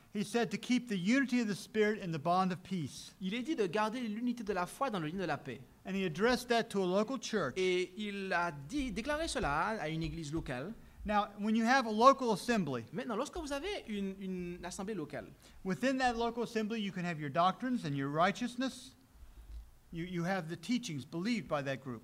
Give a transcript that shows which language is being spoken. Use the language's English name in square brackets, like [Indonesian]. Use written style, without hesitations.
[English] He said to keep the unity of the spirit in the bond of peace. [French] Il est dit de garder l'unité de la foi dans le lien de la paix. [English] And he addressed that to a local church. [French] Et il a déclaré cela à une église locale. [English] Now, when you have a local assembly, [French] maintenant, lorsque vous avez une assemblée locale, [English] within that local assembly, you can have your doctrines and your righteousness. You have the teachings believed by that group.